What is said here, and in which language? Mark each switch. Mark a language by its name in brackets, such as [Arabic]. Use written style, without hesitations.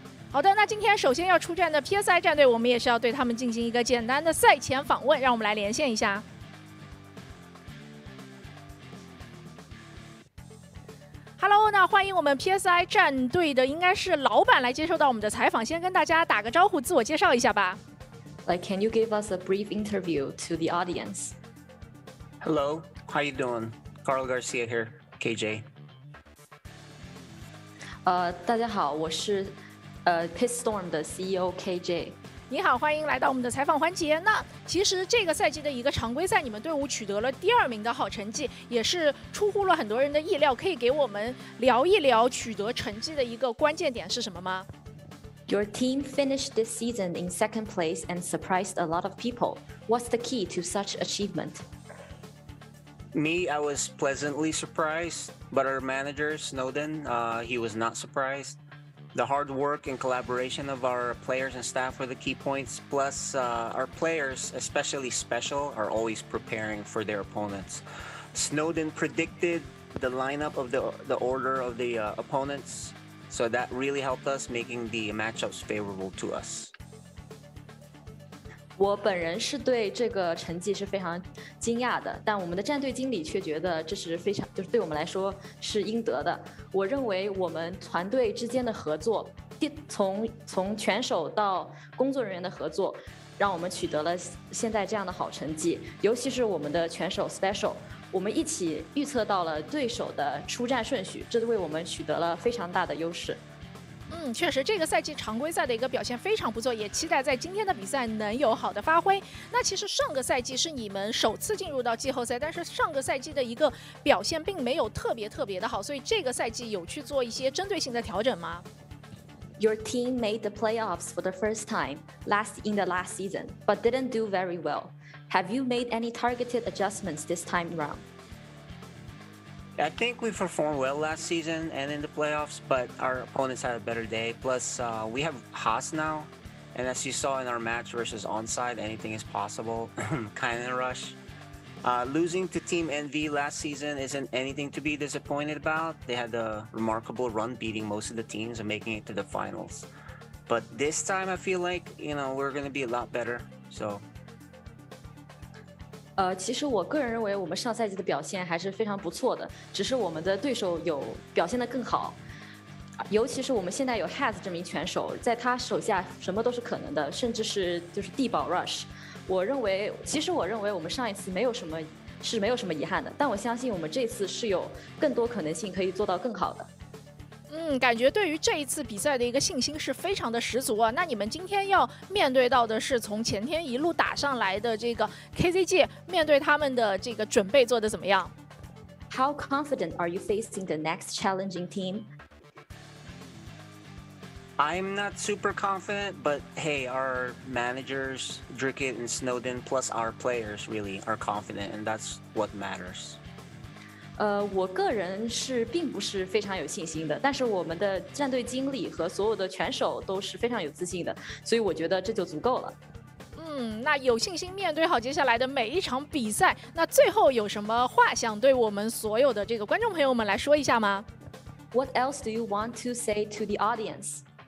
[Chinese] 好的，那今天首先要出战的 PSI 战队，我们也是要对他们进行一个简单的赛前访问，让我们来连线一下。 Hello， 那欢迎我们 PSI 战队的应该是老板来接受到我们的采访，先跟大家打个招呼，自我介绍一下吧。 [English] Like, can you give us a brief interview to the audience? Hello, how you doing? Carl Garcia here, KJ. [Chinese] 大家好，我是PSISTORM 的 CEO KJ。你好，欢迎来到我们的采访环节。那其实这个赛季的一个常规赛，你们队伍取得了2名的好成绩，也是出乎了很多人的意料，可以给我们聊一聊取得成绩的一个关键点是什么吗？ [English] Your team finished this season in second place and surprised a lot of people. What's the key to such achievement? Me, I was pleasantly surprised, but our manager Snowden, he was not surprisedThe hard work and collaboration of our players and staff were the key points. Plus, our players, especially Special, are always preparing for their opponents. Snowden predicted the lineup of the order of the opponents, so that really helped us, making the matchups favorable to us. [Chinese] 我本人是对这个成绩是非常惊讶的，但我们的战队经理却觉得这是非常，就是对我们来说是应得的。我认为我们团队之间的合作，从选手到工作人员的合作，让我们取得了现在这样的好成绩。尤其是我们的选手 Special， 我们一起预测到了对手的出战顺序，这为我们取得了非常大的优势。嗯，确实这个赛季常规赛的一个表现非常不错，也期待在今天的比赛能有好的发挥。那其实上个赛季是你们首次进入到季后赛，但是上个赛季的一个表现并没有特别的好，所以这个赛季有去做一些针对性的调整吗？ [English] Your team made the playoffs for the first time in the last season, but didn't do very well. Have you made any targeted adjustments this time around? I think we performed well last season and in the playoffs, but our opponents had a better day. Plus, we have Haas now, and as you saw in our match versus Onside, anything is possible. Kind of a rush. Losing to Team Envy last season isn't anything to be disappointed about. They had a remarkable run beating most of the teams and making it to the finals. But this time, I feel like, you know, we're going to be a lot better, so... [Chinese] 其实我个人认为我们上赛季的表现还是非常不错的，只是我们的对手有表现得更好，尤其是我们现在有 Haz 这名拳手，在他手下什么都是可能的，甚至是就是地堡 Rush。我认为我们上一次没有什么遗憾的，但我相信我们这次是有更多可能性可以做到更好的。嗯，感觉对于这一次比赛的一个信心是非常的十足啊。那你们今天要面对到的是从前天一路打上来的这个 KCG， 面对他们的这个准备做得怎么样？ [English] How confident are you facing the next challenging team? I'm not super confident, but hey, our managers, Drickett and Snowden, plus our players really are confident, and that's what matters. [Chinese] 我个人是并不是非常有信心的，但是我们的战队经理和所有的拳手都是非常有自信的，所以我觉得这就足够了。嗯，那有信心面对好接下来的每一场比赛，那最后有什么话想对我们所有的这个观众朋友们来说一下吗？ [English] What else do you want to say to the audience?